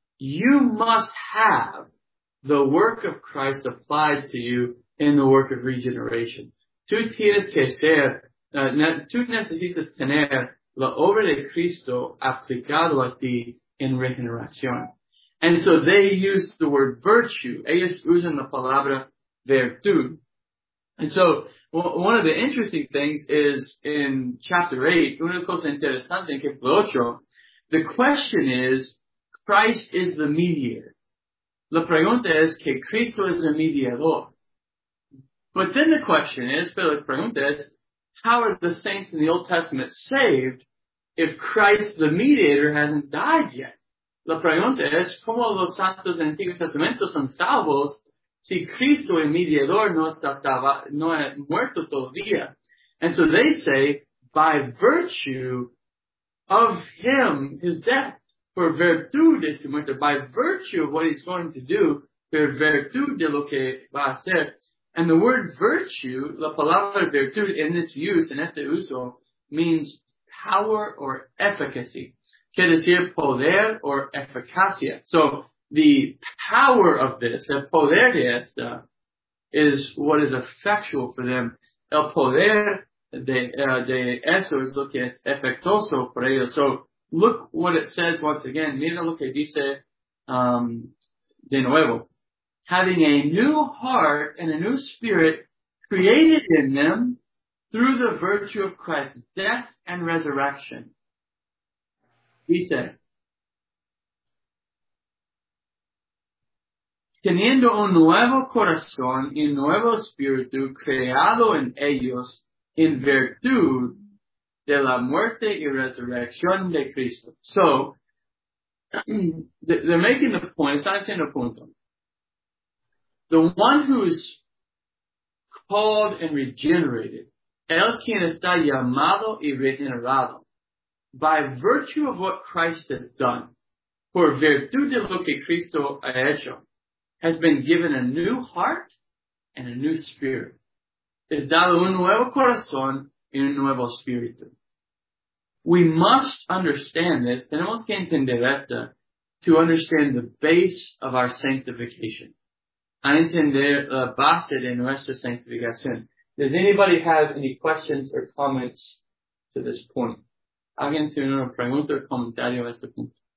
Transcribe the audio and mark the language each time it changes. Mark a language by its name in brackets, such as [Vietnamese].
[English] You must have the work of Christ applied to you in the work of regeneration. [Spanish] Tú tienes que ser, tú necesitas tener la obra de Cristo aplicado a ti en regeneración. [English] And so they use the word virtue. [Spanish] Ellos usan la palabra virtud. [English] And so one of the interesting things is in chapter 8, [Spanish] una cosa interesante en capítulo 8, [English] the question is, Christ is the mediator. [Spanish] La pregunta es que Cristo es el mediador. [English] But then the question is, [Spanish] pero la pregunta es, [English] how are the saints in the Old Testament saved if Christ the mediator hasn't died yet? [Spanish] La pregunta es, ¿cómo los santos del Antiguo Testamento son salvos si Cristo el mediador no está no ha muerto todavía? [English] And so they say, by virtue of him, his death, [Spanish] por virtud de su muerte, [English] by virtue of what he's going to do, [Spanish] por virtud de lo que va a hacer. [English] And the word virtue, [Spanish] la palabra virtud [English] in this use, in [Spanish] este uso, [English] means power or efficacy. [Spanish] Quiere decir poder or eficacia. [English] So, the power of this, [Spanish] el poder de esta, [English] is what is effectual for them. [Spanish] El poder de eso es lo que es efectuoso para ellos. [English] So look what it says once again. [Spanish] Mira lo que dice de nuevo. [English] Having a new heart and a new spirit created in them through the virtue of Christ's death and resurrection. [Spanish] Dice, teniendo un nuevo corazón y nuevo espíritu creado en ellos en virtud de la muerte y resurrección de Cristo. [English] So, they're making the point, [Spanish] están haciendo punto. [English] The one who is called and regenerated, [Spanish] el quien está llamado y regenerado, [English] by virtue of what Christ has done, [Spanish] por virtud de lo que Cristo ha hecho, [English] has been given a new heart and a new spirit. [Spanish] Es dado un nuevo corazón y un nuevo espíritu. [English] We must understand this. [Spanish] Tenemos que entender esto [English] to understand the base of our sanctification. [Spanish] A entender la base de nuestra sanctificación. [English] Does anybody have any questions or comments to this point? [Spanish] ¿Alguien tiene una pregunta o comentario a este punto?